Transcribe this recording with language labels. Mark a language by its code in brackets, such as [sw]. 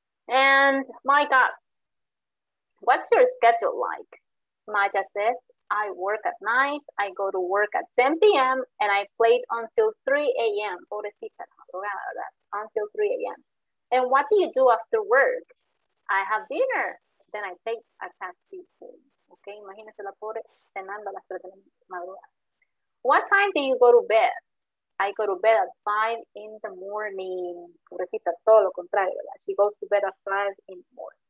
[en] And Mike asks, what's your schedule like? Maja says, I work at night, I go to work at 10 p.m., and I play until 3 a.m. [es] Pobrecita, [en] until 3 a.m. And what do you do after work? I have dinner, then I take a taxi home. [es] Okay, imagínese la pobre cenando a las 3 de la madrugada. [en] What time do you go to bed? I go to bed at 5 in the morning. [es] Pobrecita, todo lo contrario, ¿verdad? [en] She goes to bed at 5 in the morning.